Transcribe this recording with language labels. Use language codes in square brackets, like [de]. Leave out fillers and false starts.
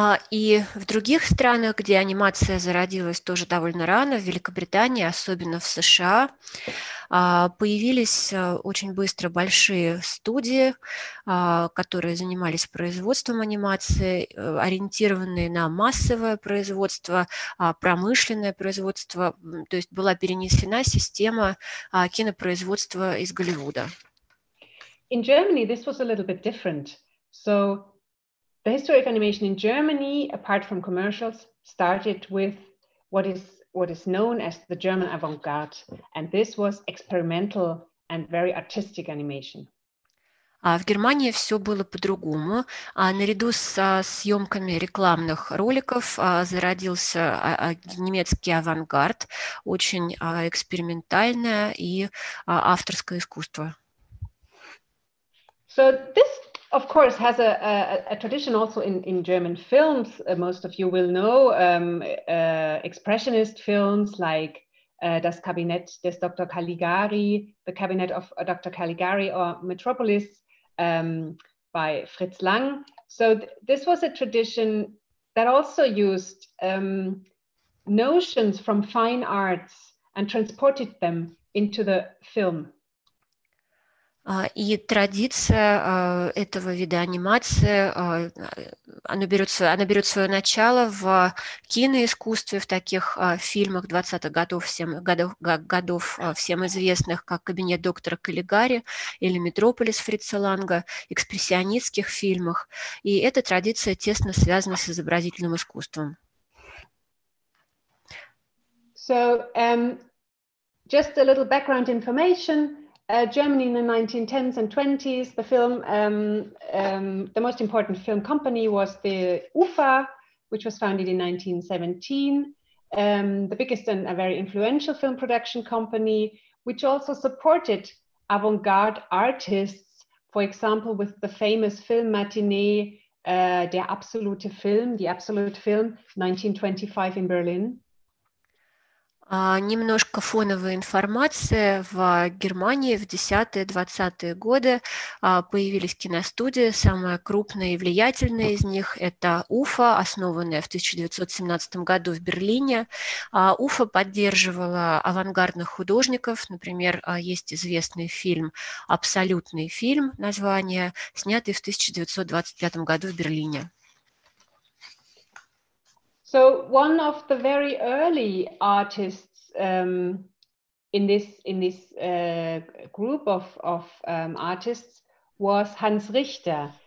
[ru] И в других странах, где анимация зародилась тоже довольно рано, в Великобритании, особенно в США, появились очень быстро большие студии, которые занимались производством анимации, ориентированные на массовое производство, промышленное производство, то есть была перенесена система кинопроизводства из Голливуда. [en] In Germany, this was a little bit different. So the history of animation in Germany, apart from commercials, started with what is known as the German Avangarde. And this was experimental and very artistic animation. [ru] В Германии все было по-другому. Наряду со съемками рекламных роликов зародился немецкий авангард, очень экспериментальное и авторское искусство. [en] So this, of course, has a tradition also in German films. Most of you will know expressionist films like Das Kabinett des Dr. Caligari, The Cabinet of Dr. Caligari, or Metropolis by Fritz Lang. So this was a tradition that also used notions from fine arts and transported them into the film. [ru] И традиция этого вида анимации, она берет свое начало в киноискусстве, в таких фильмах 20-х годов всем известных, как «Кабинет доктора Каллигари» или «Метрополис» Фрица Ланга, экспрессионистских фильмах. И эта традиция тесно связана с изобразительным искусством. [en] So, just a little background information. Germany in the 1910s and 20s, the film, the most important film company was the UFA, which was founded in 1917, the biggest and a very influential film production company, which also supported avant-garde artists, for example, with the famous film matinee, Der absolute Film, The Absolute Film, 1925 in Berlin. [ru] Немножко фоновая информация. В Германии в 10-20-е годы появились киностудии. Самая крупная и влиятельная из них – это УФА, основанная в 1917 году в Берлине. УФА поддерживала авангардных художников. Например, есть известный фильм «Абсолютный фильм», название, снятый в 1925 году в Берлине. [en] So one of the very early artists in this group of artists was Hans Richter.